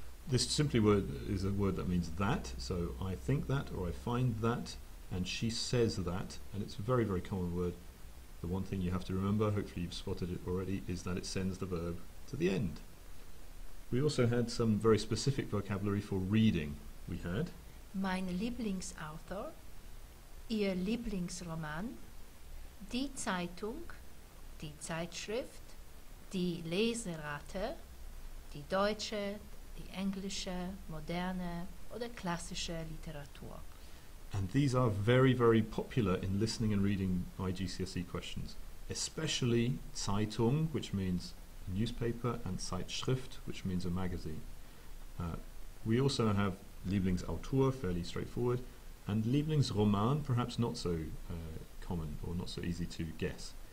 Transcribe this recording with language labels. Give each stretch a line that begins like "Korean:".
English: This simply word is a word that means that. So I think that or I find that and she says that. And it's a very, very common word. The one thing you have to remember, hopefully you've spotted it already, is that it sends the verb to the end. We also had some very specific vocabulary for reading. We had
German: mein Lieblingsautor, ihr Lieblingsroman, die Zeitung, die Zeitschrift, die Leserate, die deutsche, die englische, moderne oder klassische Literatur.
English: And these are very, very popular in listening and reading IGCSE questions, especially Zeitung, which means newspaper, and Zeitschrift, which means a magazine. We also have Lieblingsautor, fairly straightforward, and Lieblingsroman, perhaps not so common or not so easy to guess.